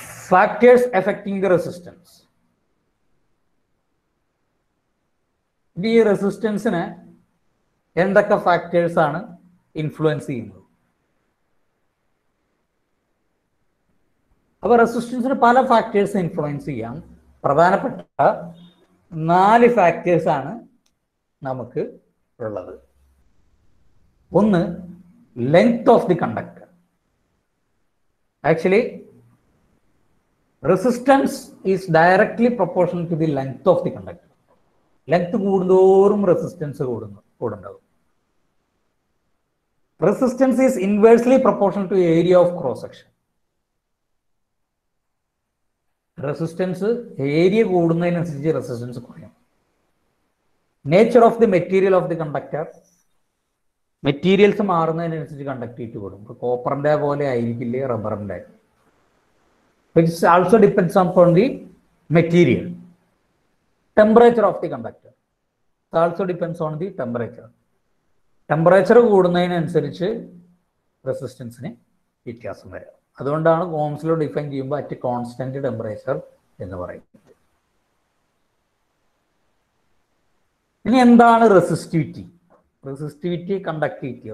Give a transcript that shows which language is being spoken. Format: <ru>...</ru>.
<en>factors affecting the resistance</en> <ml>ഈ റെസിസ്റ്റൻസിനെ എന്തൊക്കെ factors ആണ് ഇൻഫ്ലുവൻസ് ചെയ്യുന്നത് അപ്പോൾ റെസിസ്റ്റൻസിന് പല ഫാക്ടേഴ്സ് ഇൻഫ്ലുവൻസ് ചെയ്യാം പ്രധാനപ്പെട്ട 4 ഫാക്ടേഴ്സാണ് നമുക്ക് ഉള്ളത് ഒന്ന്</ml> <en>Length of the conductor actually Resistance is directly proportional to the length of the conductor.</en> <ml>Length കൂടുന്തോറും resistance കൂടുന്നുണ്ടാവും.</ml> <en>Resistance is inversely proportional to the area of cross section.</en> <ml>Resistance area കൂടുന്നതിനനുസരിച്ച് resistance കുറയും.</ml> <en>Nature of the material of the conductor.</en> <ml>Materials മാറുന്നതിനനുസരിച്ച് conductivity കൂടും. ഇപ്പോൾ കോപ്പറിന്റെ പോലെ ആയിരിക്കില്ലേ റബ്ബറിന്റെ.</ml> <en>Which also depends upon the material. Temperature of the conductor. It also depends on the temperature.</en> <ml>Temperature കൂടുന്നതിനനുസരിച്ച് റെസിസ്റ്റൻസിന് വ്യത്യാസം വരും. അതുകൊണ്ടാണ് ഓംസ് ലോ ഡിഫൈൻ ചെയ്യുമ്പോൾ</ml> <en>at constant temperature</en> <ml>എന്ന് പറയുന്നത്. ഇനി എന്താണ് റെസിസ്റ്റിവിറ്റി? Resistivity conductivity.</ml>